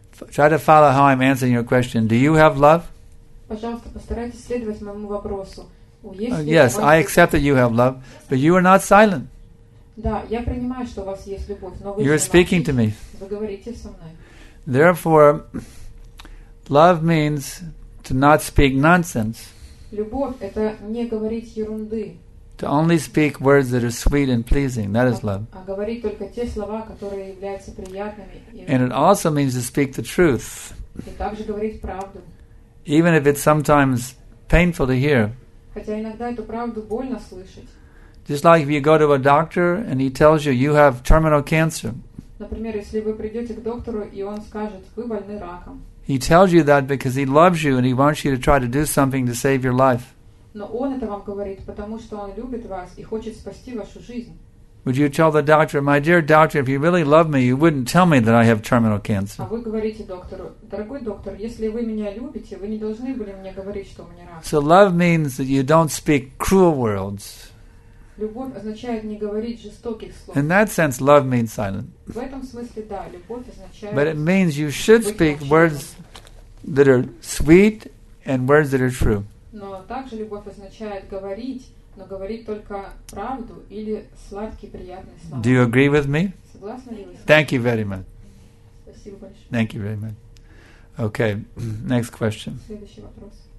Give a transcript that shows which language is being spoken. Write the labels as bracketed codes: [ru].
[en] Try to follow how I'm answering your question. Do you have love? [ru] Пожалуйста, постарайтесь следовать моему вопросу. [en] Yes, I accept that you have love, but you are not silent. [ru] Да, я принимаю, что у вас есть любовь, но вы. [en] You're speaking to me. [ru] Вы говорите со мной. [en] Therefore, love means to not speak nonsense. [ru] Любовь – это не говорить ерунды. [en] To only speak words that are sweet and pleasing, that is love. [ru] А говорить только те слова, которые являются приятными. [en] And it also means to speak the truth. [ru] И также говорить правду. [en] Even if it's sometimes painful to hear. [ru] Хотя иногда эту правду больно слышать. [en] Just like if you go to a doctor and he tells you, you have terminal cancer. [ru] Например, если вы придете к доктору, и он скажет, вы больны раком. [en] He tells you that because he loves you and he wants you to try to do something to save your life. [ru] Но он это вам говорит, потому что он любит вас и хочет спасти вашу жизнь. [en] Would you tell the doctor, my dear doctor, if you really love me, you wouldn't tell me that I have terminal cancer? [ru] А вы говорите доктору, дорогой доктор, если вы меня любите, вы не должны были мне говорить, что у меня рак. [en] So love means that you don't speak cruel words. [ru] Любовь означает не говорить жестоких слов. [en] In that sense, love means silent. [ru] В этом смысле да, любовь означает. [en] But it means you should speak words that are sweet and words that are true. [ru] Но также любовь означает говорить. Но говорит только правду или сладкие приятные слова. [en] Do you agree with me? [ru] Согласны ли вы? [en] Thank you very much. [ru] Спасибо большое. [en] Thank you very much. Okay, next question. [ru] Следующий вопрос.